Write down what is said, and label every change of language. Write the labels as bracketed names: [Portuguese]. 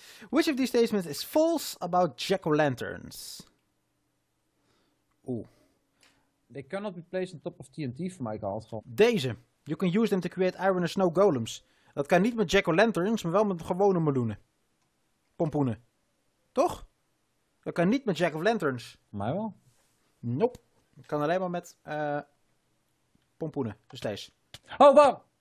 [English] Which of these statements is false about jack-o'-lanterns? Oeh. They cannot be placed on top of TNT, [Dutch] voor mij altijd gewoon. Deze. [English] You can use them to create iron and snow golems. [Dutch] Dat kan niet met jack-o'-lanterns, maar wel met gewone meloenen. Pompoenen. Toch? Dat kan niet met jack-o'-lanterns. Mij wel. [English] Nope. [Dutch] Dat kan alleen maar met pompoenen. Dus deze. [English] Oh, wow!